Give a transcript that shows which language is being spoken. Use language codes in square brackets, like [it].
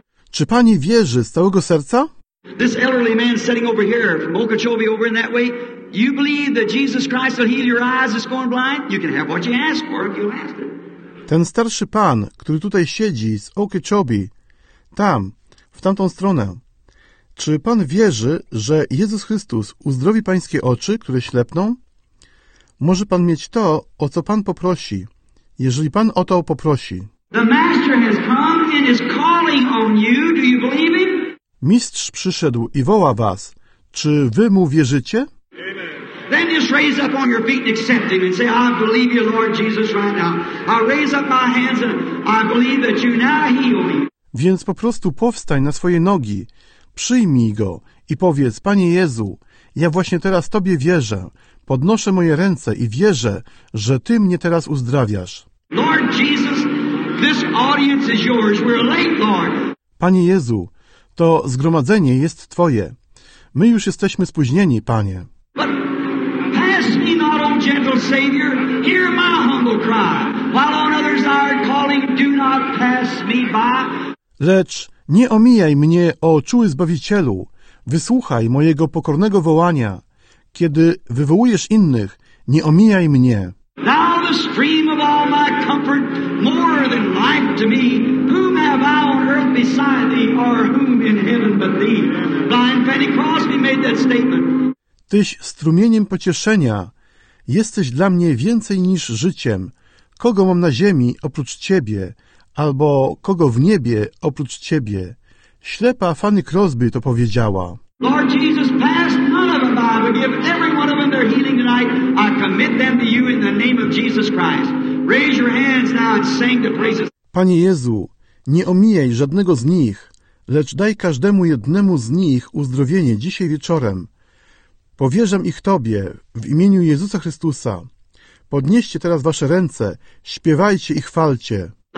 [pl] Czy pani wierzy z całego serca? [en] This elderly man sitting over here from Okeechobee over in that way, you believe that Jesus Christ will heal your eyes that's going blind? You can have what you ask for if you ask it. [pl] Ten starszy pan, który tutaj siedzi z Okeechobee, tam, w tamtą stronę. Czy pan wierzy, że Jezus Chrystus uzdrowi pańskie oczy, które ślepną? Może pan mieć to, o co pan poprosi, jeżeli pan o to poprosi. [en] The master has come and is calling on you. Do you believe him? [pl] Mistrz przyszedł i woła was. Czy wy mu wierzycie? [en] then just raise up on your feet and accept Him and say, I believe you, Lord Jesus, right now. I raise up my hands and I believe that you now heal me. [pl] Więc po prostu powstań na swoje nogi, przyjmij Go i powiedz, Panie Jezu, ja właśnie teraz Tobie wierzę, podnoszę moje ręce i wierzę, że Ty mnie teraz uzdrawiasz. [en] Lord Jesus, this audience is yours. We're late, Lord. [pl] Panie Jezu, to zgromadzenie jest Twoje. My już jesteśmy spóźnieni, Panie. [en] But pass me not on, gentle Savior. Hear my humble cry. While on others are calling, do not pass me by. [pl] Lecz nie omijaj mnie, o czuły Zbawicielu. Wysłuchaj mojego pokornego wołania. Kiedy wywołujesz innych, nie omijaj mnie. [en] Now the stream of all my comfort, more than life to me. Whom have I on earth beside thee, or whom in heaven but thee? Blind Fanny Crosby made that statement. [pl] Tyś strumieniem pocieszenia. Jesteś dla mnie więcej niż życiem. Kogo mam na ziemi oprócz Ciebie? Albo kogo w niebie oprócz Ciebie? Ślepa Fanny Crosby to powiedziała. [en] Lord Jesus, pass none of them by, but give every one of them their healing tonight. I commit them to you in the name of Jesus Christ. Raise your hands now and sing the praises. [pl] Panie Jezu, nie omijaj żadnego z nich, lecz daj każdemu jednemu z nich uzdrowienie dzisiaj wieczorem. Powierzam ich Tobie w imieniu Jezusa Chrystusa. Podnieście teraz Wasze ręce, śpiewajcie i chwalcie.